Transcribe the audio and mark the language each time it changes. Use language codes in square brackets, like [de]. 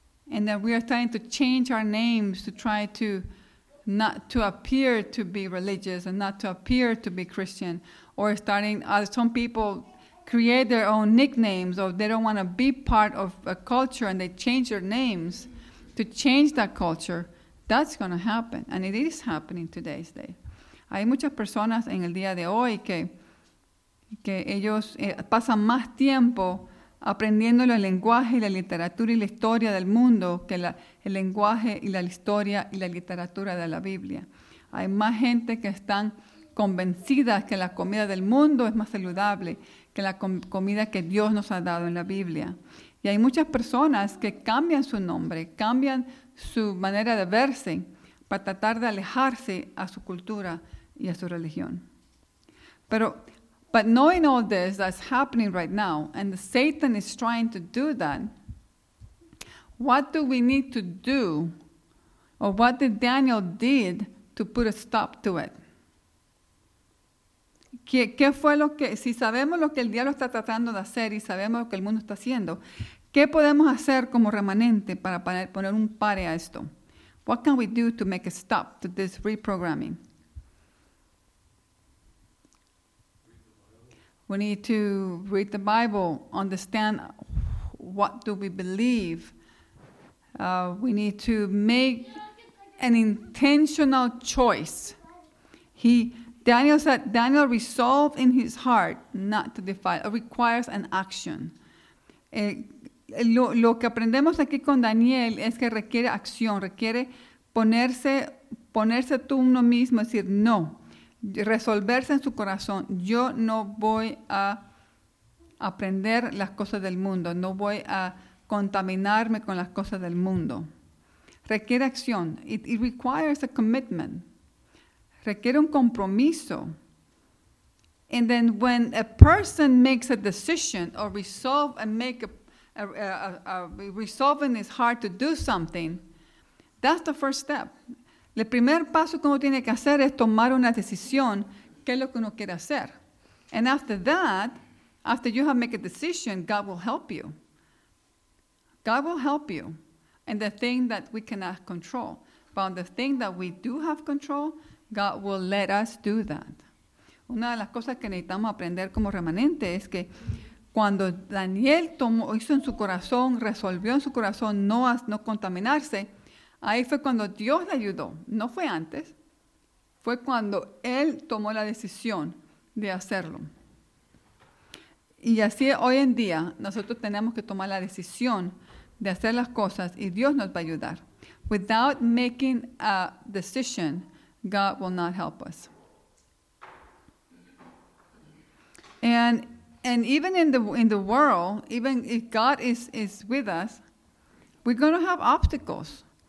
[en] And then we are trying to change our names to try to not to appear to be religious and not to appear to be Christian. Or starting, some people create their own nicknames or they don't want to be part of a culture and they change their names to change that culture. That's going to happen. And it is happening today's day. [es] Hay muchas personas en el día de hoy que ellos pasan más tiempo aprendiendo el lenguaje, la literatura y la historia del mundo que el lenguaje y la historia y la literatura de la Biblia. Hay más gente que están convencidas que la comida del mundo es más saludable que la comida que Dios nos ha dado en la Biblia. Y hay muchas personas que cambian su nombre, cambian su manera de verse para tratar de alejarse a su cultura y a su religión. [en] But knowing all this that's happening right now, and Satan is trying to do that, what do we need to do, or what did Daniel did to put a stop to it? [es] ¿Qué fue lo que, si sabemos lo que el diablo está tratando de hacer y sabemos lo que el mundo está haciendo, qué podemos hacer como remanente para poner un pare a esto? [en] What can we do to make a stop to this reprogramming? We need to read the Bible, understand what do we believe. We need to make an intentional choice. Daniel said, Daniel resolved in his heart not to defile. It requires an action. [es] Lo que aprendemos aquí con Daniel es que requiere acción, requiere ponerse tú uno mismo, decir no. Resolverse en su corazón, yo no voy a aprender las cosas del mundo, no voy a contaminarme con las cosas del mundo. Requiere acción, [en] it requires a commitment, [es] requiere un compromiso. [en] And then when a person makes a decision or resolve and make a resolve in his heart to do something, that's the first step. [es] El primer paso que uno tiene que hacer es tomar una decisión, qué es lo que uno quiere hacer. [en] And after that, after you have made a decision, God will help you. God will help you. And the thing that we cannot control. But on the thing that we do have control, God will let us do that. [es] Una de las cosas que necesitamos aprender como remanente es que cuando Daniel hizo en su corazón, resolvió en su corazón no contaminarse, ahí fue cuando Dios le ayudó, no fue antes, fue cuando él tomó la decisión de hacerlo. Y así hoy en día nosotros tenemos que tomar la decisión de hacer las cosas y Dios nos va a ayudar. [en] Without making a decision, God will not help us. And even in the world, even if God is with us, we're going to have obstacles.